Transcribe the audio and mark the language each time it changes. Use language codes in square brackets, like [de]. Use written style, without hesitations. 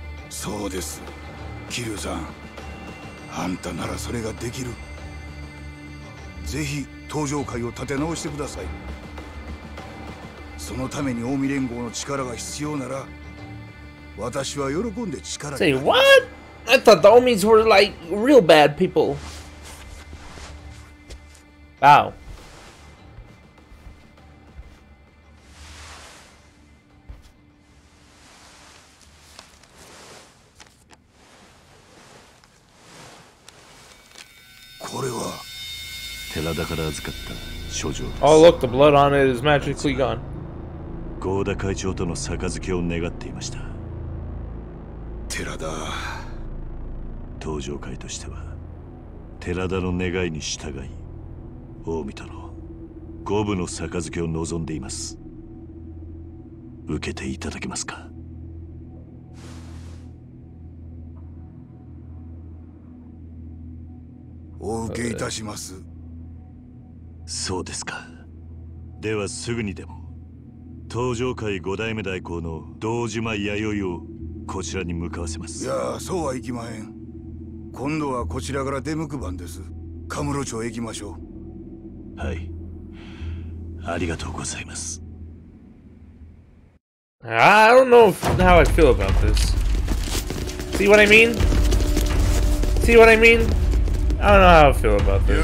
[ja] そうです、キリュウさん、あんたならそれができる。ぜひ登場会を立て直してください。そのために近江連合の力が必要なら私は喜んで力になります [en] 。 Say what? I thought the Omis were like real bad people. Wow. Oh, look, the blood on it is magically gone. [ja] 合田会長との杯を願っていました。寺田。登場会としては、寺田の願いに従い、近江との五分の杯を望んでいます。受けていただけますか？お受けいたします。そうですか。ではすぐにでも登場会五代目代行の堂島弥生をこちらに向かわせます。いや、そうはいきまへん。今度はこちらから出向く番です。神室町へ行きましょう。はい、ありがとうございます。 [en] I don't know how I feel about this. See what I mean? See what I mean? I don't know how I feel about this.